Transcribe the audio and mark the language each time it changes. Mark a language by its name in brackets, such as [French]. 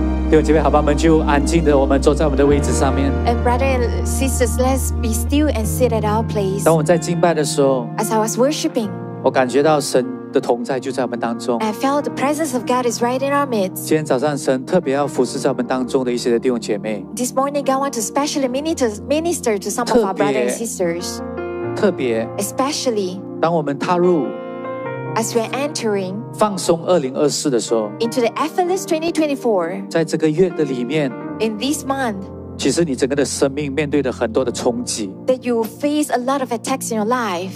[Chinese] 弟兄姐妹，好吧，我们就安静的，我们坐在我们的位置上面。 [English] And brothers and sisters, let's be still and sit at our place. [Chinese] 当我们在敬拜的时候 [English] ，As I was worshiping, [Chinese] 我感觉到神的同在就在我们当中。 [English] I felt the presence of God is right in our midst. [Chinese] 今天早上，神特别要服侍在我们当中的一些的弟兄姐妹。 [English] This morning, God wants to specially minister to some of our brothers and sisters. [Chinese] 特别 [English] ，especially [Chinese] 当我们踏入。 [English] As we're entering [Chinese] 放松2024的时候 [English] into the effortless 2024, [Chinese] 在这个月的里面 [English] in this month, [Chinese] 其实你整个的生命面对的很多的冲击 [English] that you face a lot of attacks in your life,